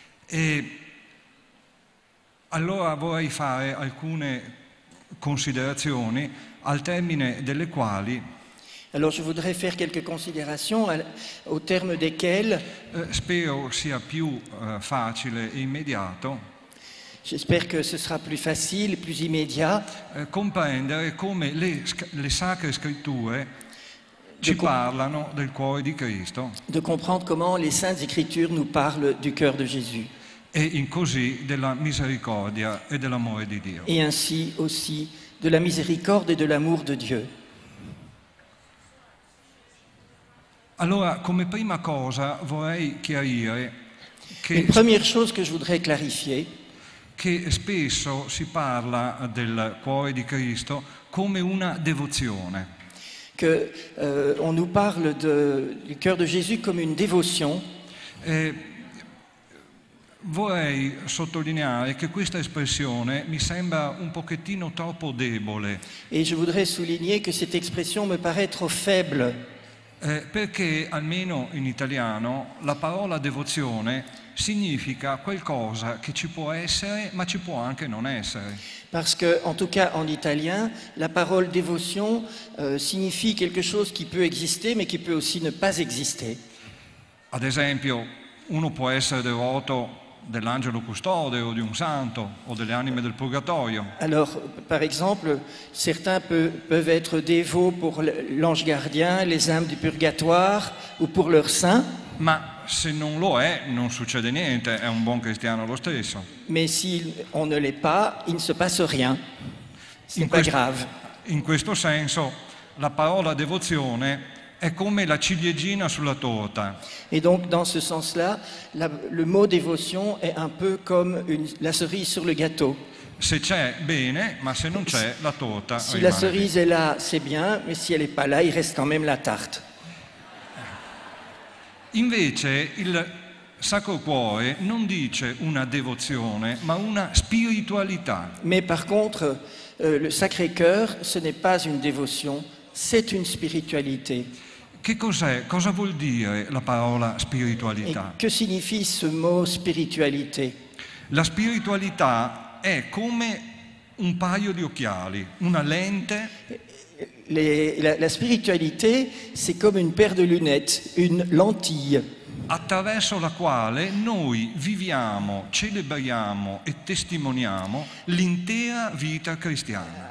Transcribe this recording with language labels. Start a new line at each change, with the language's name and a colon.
Italian: Et allora vorrei fare alcune considerazioni al termine delle quali.
French: Alors je voudrais faire quelques considérations au terme desquelles
Italian: spero sia più facile e immediato.
French: J'espère que ce sera plus facile, plus immédiat.
Italian: Comprendere come le sacre scritture ci parlano del cuore di Cristo.
French: De comprendre comment les saintes écritures nous parlent du cœur de Jésus.
Italian: E in così della misericordia e dell'amore di Dio.
French: Et ainsi aussi de la miséricorde et de l'amour de Dieu.
Italian: Allora, come prima cosa vorrei chiarire che
French: une première chose que je voudrais clarifier,
Italian: che spesso si parla del cuore di Cristo come una devozione.
French: Que on nous parle du cœur de Jésus comme une dévotion.
Italian: Vorrei sottolineare che questa espressione mi sembra un pochettino troppo debole.
French: Et je voudrais souligner que cette expression me paraît trop faible.
Italian: Perché almeno in italiano la parola devozione significa qualcosa che ci può essere ma ci può anche non essere.
French: Parce que en tout cas en italien la parole dévotion signifie quelque chose qui peut exister mais qui peut aussi ne pas exister.
Italian: Ad esempio, uno può essere devoto dell'angelo custode o di un santo o delle anime del purgatorio.
French: Alors, par exemple, certains peuvent être dévots pour l'ange gardien, les âmes du purgatoire ou pour leur saint.
Italian: Ma se non lo è, non succede niente, è un buon cristiano lo stesso.
French: Mais si on ne l'est pas, il ne se passe rien. C'est pas grave.
Italian: In questo senso, la parola devozione è come la ciliegina sulla torta.
French: Et donc dans ce sens-là, le mot dévotion est un peu comme la cerise sur le gâteau.
Italian: Se c'è, bene, ma se non c'è, la torta si rimane.
French: La cerise est là, c'est bien, mais si elle est pas là, il reste quand même la tarte.
Italian: Invece il Sacro Cuore non dice una devozione, ma una spiritualità.
French: Mais par contre, le Sacré-Cœur, ce n'est pas une dévotion. C'est une spiritualité.
Italian: Che cos'è? Cosa vuol dire la parola spiritualità?
French: Et que signifie ce mot spiritualité?
Italian: La spiritualità è come un paio di occhiali, una lente.
French: La spiritualité, c'est comme une paire de lunettes, une lentille.
Italian: Attraverso la quale noi viviamo, celebriamo e testimoniamo l'intera vita cristiana.